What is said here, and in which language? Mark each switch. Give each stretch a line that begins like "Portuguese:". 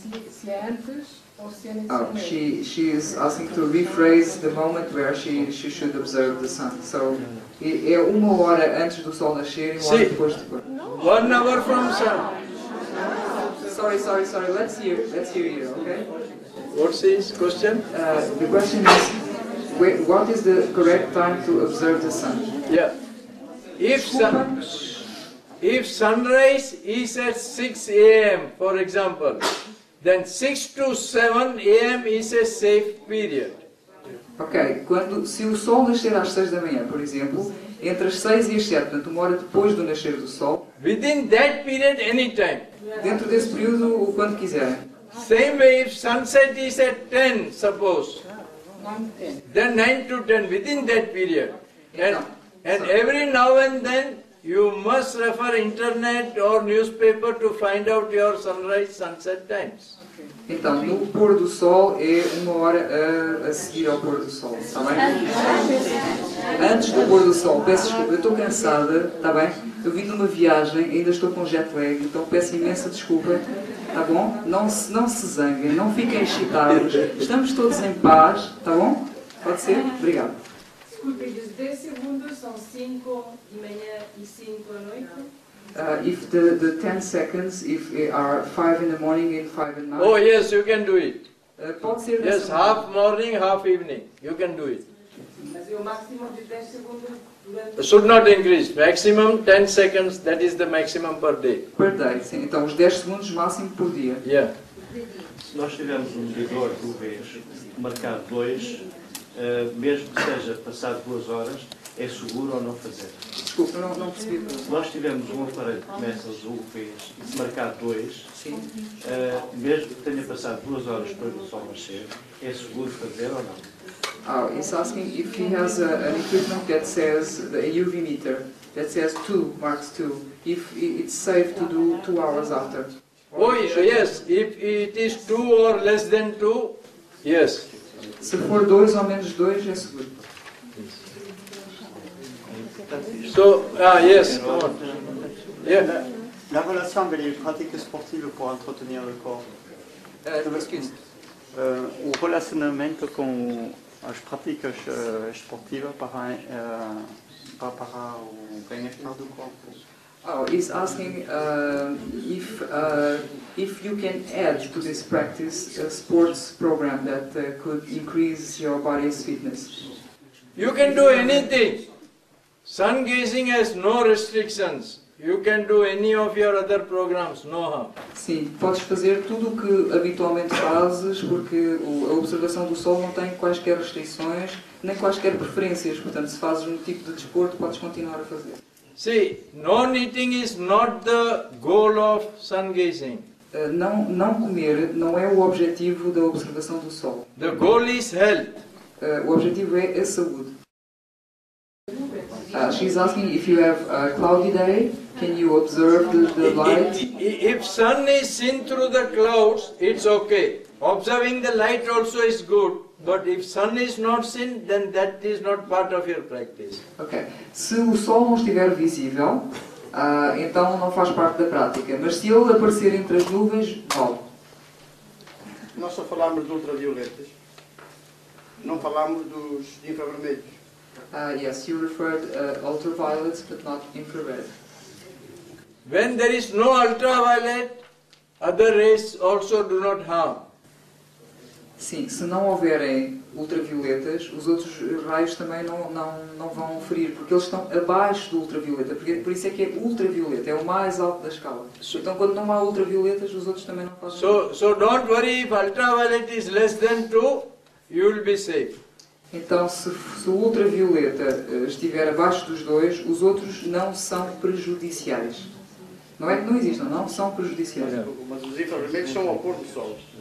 Portuguese: Se é antes ou se é nesse momento.
English: Oh, she is asking to rephrase the moment where she should observe the sun.
Portuguese: So, é uma hora antes do sol nascer e uma hora depois do pôr.
English: 1 hour from sun. Sorry. Let's hear you, okay? What's his question? The question is, what is the correct time to observe the sun? Yeah. If sunrise is at 6 a.m., for example, then 6 to 7 a.m. is a safe period. Ok.
Portuguese: Se o sol nascer às 6 da manhã, por exemplo, entre as 6 e as 7, portanto, uma hora depois do nascer do sol.
English: Within that period, anytime.
Portuguese: Dentro desse período, o quanto quiser.
English: Same way, if sunset is at 10, suppose, then 9 to 10, within that period. And every now and then, you must refer internet or newspaper to find out your sunrise, sunset times.
Portuguese: Então, no pôr do sol é uma hora a seguir ao pôr do sol, está bem? Antes do pôr do sol, peço desculpa, eu estou cansada, está bem? Eu vim de uma viagem, ainda estou com jet lag, então peço imensa desculpa, está bom? Não se zanguem, não fiquem excitados, estamos todos em paz, está bom? Pode ser? Obrigado. Desculpe, os 10 segundos são 5 de manhã e 5 à noite?
English: If the 10 seconds, if it are 5 in the morning and 5 at night. Oh yes, you can do it.
Portuguese: Pode ser
English: yes, half morning, half evening. You can do it.
Portuguese: Mas o máximo de 10 segundos?
English: Should not increase. Maximum 10 seconds, that is the maximum per day. Per day,
Portuguese: sim. Então os 10 segundos máximo por dia.
English: Yeah.
Portuguese: Se nós tivermos um medidor do UV marcado 2, mesmo que seja passado 2 horas, é seguro ou não fazer. Desculpa, eu não percebi. Nós tivemos um aparelho que começa os UVs e se marcar 2, mesmo que tenha passado 2 horas para o sol nascer, é seguro fazer ou não?
English: Oh, it's asking if he has an equipment that says a UV meter, that says 2, marks 2, if it's safe to do 2 hours after. Oh, yes, if it is 2 or less than 2, yes.
Portuguese: Se for 2 ou menos 2, é seguro.
English: So, yes.
French: La relation avec les pratiques sportives pour entretenir le corps.
English: Excuse.
Portuguese: O relacionamento com as práticas esportivas para o bem-estar do corpo.
English: Oh, he's asking if you can add to this practice a sports program that could increase your body's fitness. You can do anything. Sun gazing has no restrictions. You can do any of your other programs, no harm.
Portuguese: Sim, podes fazer tudo o que habitualmente fazes, porque a observação do sol não tem quaisquer restrições, nem quaisquer preferências. Portanto, se fazes um tipo de desporto, podes continuar a fazer.
English: See, non-eating is not the goal of sun gazing.
Portuguese: Não comer não é o objetivo da observação do sol.
English: The goal is health.
Portuguese: O objetivo é a saúde.
English: She's asking if you have a cloudy day, can you observe the light? If sun is seen through the clouds, it's okay. Observing the light also is good. But if sun is not seen, then that is not part of your practice. Okay.
Portuguese: Se o sol não estiver visível, então não faz parte da prática. Mas se ele aparecer entre as nuvens, vale. Nós só falamos de ultravioletas. Não falamos dos infravermelhos.
English: Yes, you referred ultraviolets, but not infrared. When there is no ultraviolet, other rays also do not harm.
Portuguese: Sim, se não houverem ultravioletas, os outros raios também não vão ferir, porque eles estão abaixo do ultravioleta, por isso é que é ultravioleta, é o mais alto da escala. Então, quando não há ultravioletas, os outros também não podem ferir. So don't worry, if ultraviolet is less than 2, you will be safe. Então, se o ultravioleta estiver abaixo dos 2, os outros não são prejudiciais. Não é que não existam, não são prejudiciais. Mas os infravermelhos são ao pôr do sol.